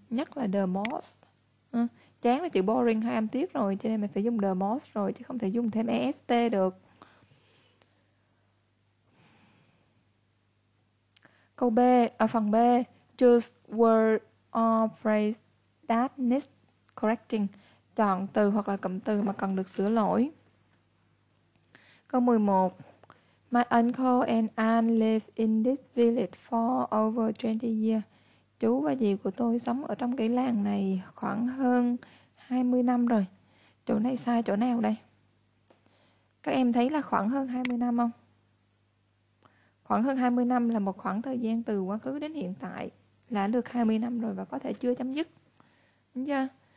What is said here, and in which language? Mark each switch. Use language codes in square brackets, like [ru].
[vi] Nhất là the most. Chán là chữ boring hay âm tiết rồi, cho nên mình phải dùng the most rồi, chứ không thể dùng thêm est được. Câu B, ở phần B, [en] choose word or phrase that needs correcting. [vi] Chọn từ hoặc là cụm từ mà cần được sửa lỗi. Câu 11. [en] My uncle and aunt live in this village for over 20 years. [vi] Chú và dì của tôi sống ở trong cái làng này khoảng hơn 20 năm rồi. Chỗ này sai chỗ nào đây? Các em thấy là khoảng hơn 20 năm không? Khoảng hơn 20 năm là một khoảng thời gian từ quá khứ đến hiện tại, là được 20 năm rồi và có thể chưa chấm dứt. Đúng chưa?